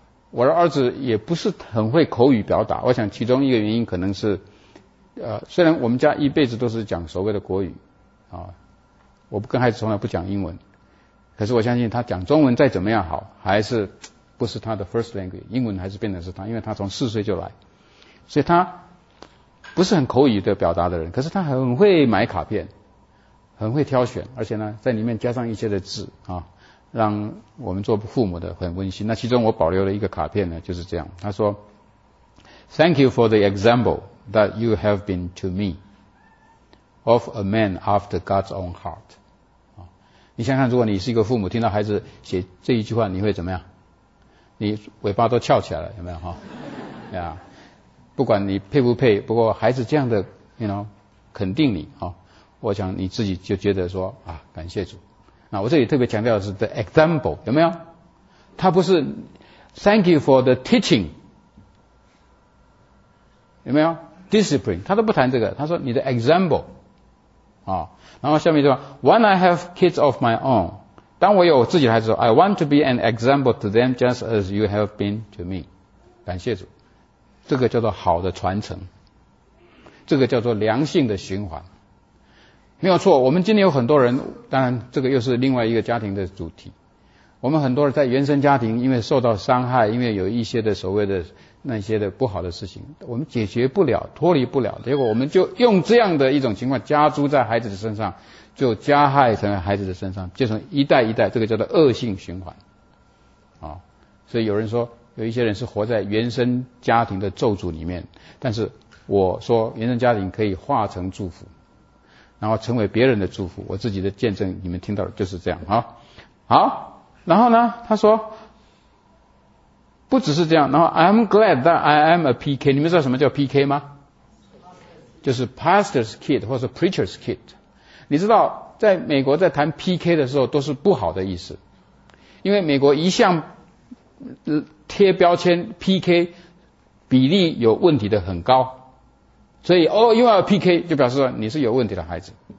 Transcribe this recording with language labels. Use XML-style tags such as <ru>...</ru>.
<zh>我的儿子也不是很会口语表达，我想其中一个原因可能是虽然我们家一辈子都是讲所谓的国语啊，我跟孩子从来不讲英文，可是我相信他讲中文再怎么样好，还是不是他的</zh> <en>first language，</en> <zh>英文还是变成是他，因为他从四岁就来，所以他不是很口语的表达的人，可是他很会买卡片，很会挑选，而且呢在里面加上一些的字啊，让我们做父母的很温馨。那其中我保留了一个卡片呢，就是这样，他说</zh> <en>Thank you for the example that you have been to me of a man after God's own heart。</en> <zh>你想想，如果你是一个父母，听到孩子写这一句话，你会怎么样？你尾巴都翘起来了，有没有？yeah， 不管你配不配，不过孩子这样的</zh> <en>you know，</en> <zh>肯定你，我想你自己就觉得说啊，感谢主。那我这里特别强调的是</zh> <en>the example，</en> <zh>有没有？他不是</zh> <en>thank you for the teaching，</en> <zh>有没有 discipline？他都不谈这个，他说你的 example 啊。然后下面就说</zh> <en>when I have kids of my own，</en> <zh>当我有自己的孩子的时候</zh> <en>，I want to be an example to them just as you have been to me。</en> <zh>感谢主，这个叫做好的传承，这个叫做良性的循环。没有错，我们今天有很多人，当然这个又是另外一个家庭的主题，我们很多人在原生家庭因为受到伤害，因为有一些的所谓的那些的不好的事情，我们解决不了，脱离不了，结果我们就用这样的一种情况加诸在孩子的身上，就加害成为孩子的身上，就从一代一代，这个叫做恶性循环啊。所以有人说有一些人是活在原生家庭的咒诅里面，但是我说原生家庭可以化成祝福，然后成为别人的祝福。我自己的见证你们听到的就是这样啊。好，然后呢他说不只是这样，然后</zh> <en>I'm glad that I am a PK。</en> <zh>你们知道什么叫 PK 吗？就是</zh> <en>pastor's kid</en> <zh>或是</zh> <en>preacher's kid。</en> <zh>你知道在美国在谈 PK 的时候都是不好的意思，因为美国一向贴标签 PK 比例有问题的很高，所以哦，因为 PK 就表示说你是有问题的孩子。</zh>